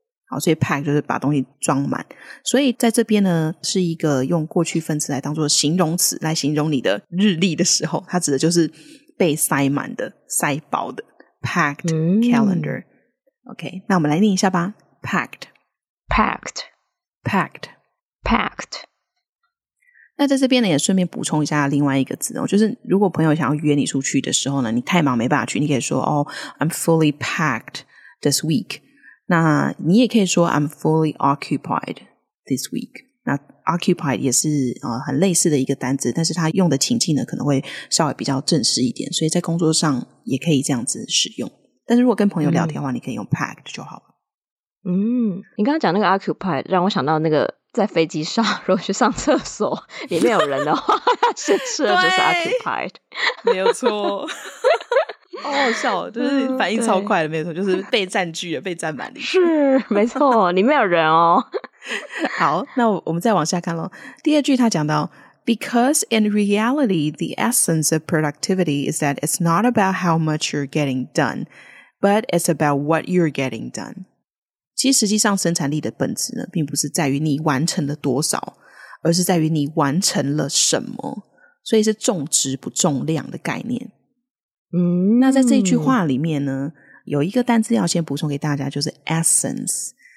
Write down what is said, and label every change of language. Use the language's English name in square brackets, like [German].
[Chinese] 好，所以 pack 就是把东西装满，所以在这边呢是一个用过去分词来当做形容词来形容你的日历的时候，它指的就是被塞满的塞包的 packed calendar、嗯、OK， 那我们来念一下吧。 [English] packed packed packed packed。 [Chinese] 那在这边呢也顺便补充一下另外一个字哦，就是如果朋友想要约你出去的时候呢，你太忙没办法去，你可以说哦 I'm fully packed this week。那你也可以说 I'm fully occupied this week。那 occupied 也是、很类似的一个单字，但是它用的情境呢可能会稍微比较正式一点，所以在工作上也可以这样子使用，但是如果跟朋友聊天的话、嗯、你可以用 packed 就好了。嗯，你刚刚讲那个 occupied 让我想到那个在飞机上如果去上厕所里面有人的话先吃的就是 occupied。没有错。好好笑，就是反应超快的、嗯、没错，就是被占据了被占满了，是没错，里面有人哦。好，那我们再往下看咯。 [English] 第二句他讲到 Because in reality the essence of productivity is that it's not about how much you're getting done but it's about what you're getting done。 [Chinese] 其实实际上生产力的本质呢并不是在于你完成了多少，而是在于你完成了什么，所以是重质不重量的概念。嗯，那在这一句话里面呢有一个单字要先补充给大家，就是 essence。